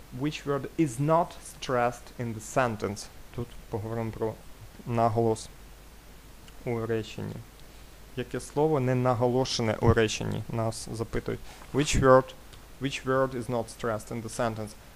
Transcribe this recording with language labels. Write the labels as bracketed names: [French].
[English] Which word is not stressed in the sentence? [Ukrainian] Тут поговоримо про наголос у реченні. Яке слово не наголошене у реченні? Нас запитують. [English] Which word is not stressed in the sentence?